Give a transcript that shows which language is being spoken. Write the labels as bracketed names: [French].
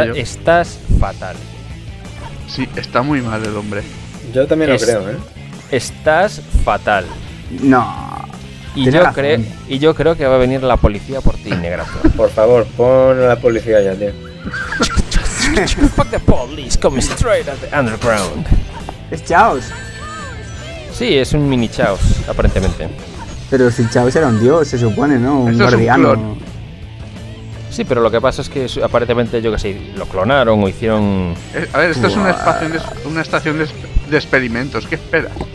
[Spanish] Estás fatal. Sí, está muy mal el hombre. Yo también lo creo. Estás fatal. No. Y yo creo que va a venir la policía por ti, Negrazo. Por favor, pon a la policía ya, tío. [English] Fuck the police, come straight at the underground. [Spanish] Es Chaos. Sí, es un mini Chaos, aparentemente. Pero si Chaos era un dios, se supone, ¿no? Un guardiano. Sí, pero lo que pasa es que aparentemente, yo qué sé, lo clonaron o hicieron. A ver, esto es una estación de experimentos. ¿Qué esperas?